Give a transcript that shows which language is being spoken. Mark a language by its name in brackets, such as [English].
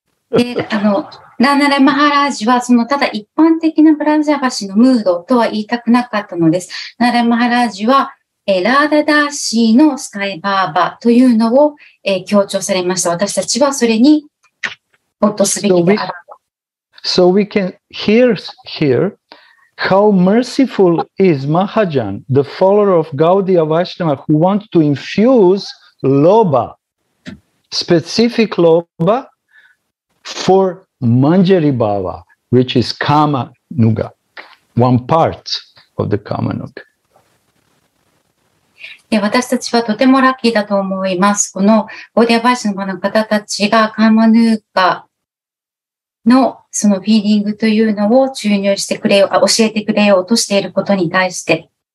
[Japanese] ラナレマハラージはそのただ一般的なブラジャバシのムードとは言いたくなかったのです。ラナレマハラージはラーダダーシーのスカイバーバというのを強調されました。私たちはそれに没頭すべきである。 [English] So we can hear here how merciful is Mahajan, the follower of Gaudiya Vaishnava, who wants to infuse loba, specific loba for Manjari Bhava, which is Kama Nuga, one part of the Kama Nuga. [Japanese] 私たちはとてもラッキーだと思います。このゴーディア・ヴァイシャヴァの方たちがカーマヌーガのそのフィーリングというのを注入してくれよう、教えてくれようとしていることに対して。